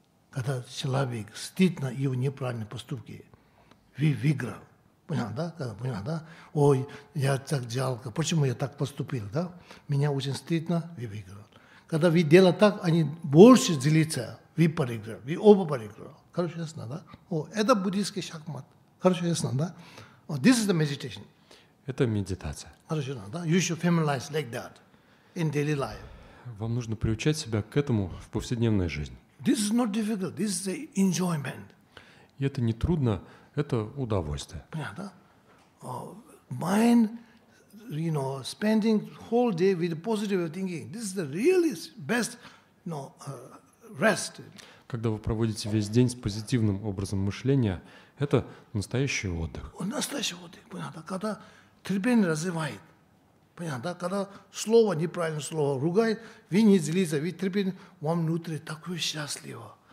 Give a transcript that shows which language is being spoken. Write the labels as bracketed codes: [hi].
[ru] Когда человек стыд на его неправильные поступки, выиграл. Понял, да? Понял, да? Ой, я так жалко. Почему я так поступил, да? Меня очень стыдно, выиграл. Когда вы делаете так, они больше злятся. Вы проиграли, вы оба проиграли. Хорошо, ясно, да? О, это буддийский шахмат. Хорошо, ясно, да? [en] This is the meditation. [ru] Это медитация. Хорошо, ясно, да? [en] You should familiarize like that in daily life. [ru] Вам нужно приучать себя к этому в повседневной жизни. [en] This is not difficult. This is the enjoyment. [ru] И это не трудно, это удовольствие. Понятно, да? [en] Mind, you know, spending whole day with positive thinking. This is the really best, you know, rest. [ru] Когда вы проводите весь день с позитивным образом мышления, это настоящий отдых. Настоящий отдых, понятно, да? Когда терпение развивает. Понятно, да? Когда слово, неправильное слово ругает, вы не злится, вы терпите, вам внутри такое счастливо.